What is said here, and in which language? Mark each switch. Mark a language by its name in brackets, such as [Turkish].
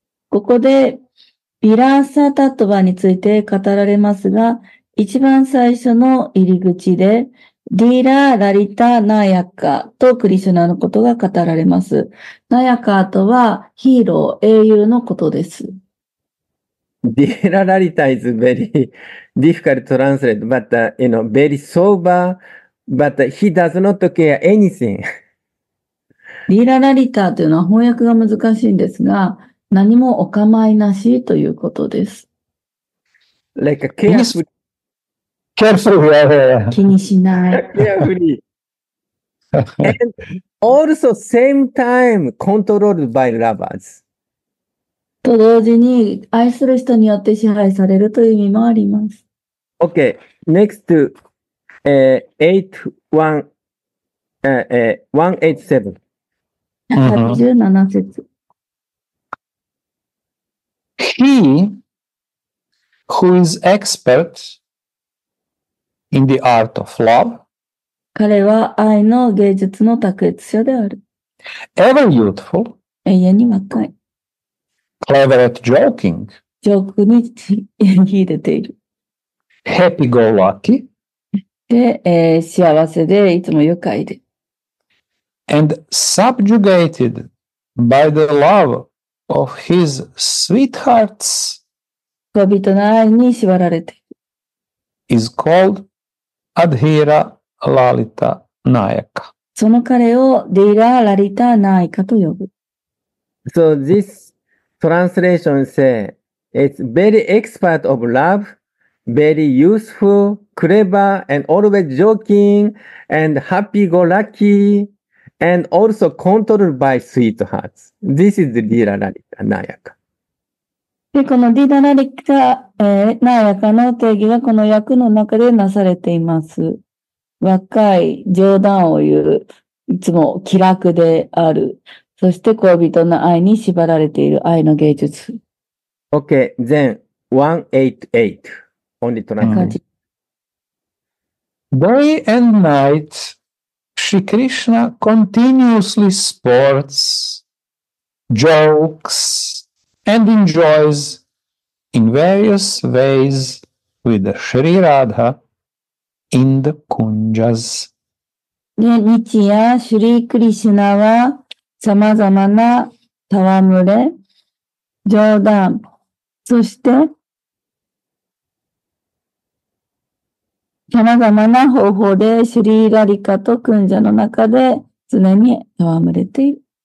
[Japanese] ここでヴィラーサタトヴァについて語られますが、一番最初の入り口で、ディーラー・ラリタ・ナヤカとクリシュナのことが語られます。ナヤカとはヒーロー、英雄のことです。 [English] ディーラー・ラリタ is very... difficult to translate, but, you know, very sober, but he does not care anything. [Japanese] リーラ・ラリタというのは翻訳が難しいんですが、何もお構いなしということです。 [English] Like a carefree. Carefree. [Japanese] 気にしない。 [English] Carefree. And also same time controlled by lovers. [Japanese] と同時に愛する人によって支配されるという意味もあります。 [English] Okay, next to 187. Mm-hmm. He who is expert in the art of love, [Japanese] 彼は愛の芸術の卓越者である。 [English] Ever youthful, [Japanese] 永遠に若い。 [English] Clever at joking, [Japanese] ジョークに秀でている。 [English] Happy go lucky. [Japanese] で、幸せでいつも愉快で。 [English] And subjugated by the love of his sweethearts. [Japanese] 恋人の愛に縛られて。 [English] Is called Adhira Lalita Nayaka. [Japanese] その彼をディラ・ラリタ・ナイカと呼ぶ。 [English] So this translation says it's very expert of love. Very useful, clever, and always joking, and happy-go-lucky, and also controlled by sweethearts. This is Dira Larita Nayaka. [Japanese] で、このDira Larita Nayakaの定義がこの訳の中でなされています。若い、冗談を言う、いつも気楽である、そして恋人の愛に縛られている愛の芸術。 [English] Okay, then 188. Day and night, Sri Krishna continuously sports, jokes, and enjoys in various ways with Sri Radha in the Kunjas. [Japanese] 日夜、Sri Krishna はさまざまな戯れ、冗談、そしてさまざまな方法でシュリーラリカとクンジャの中で常に戯れている。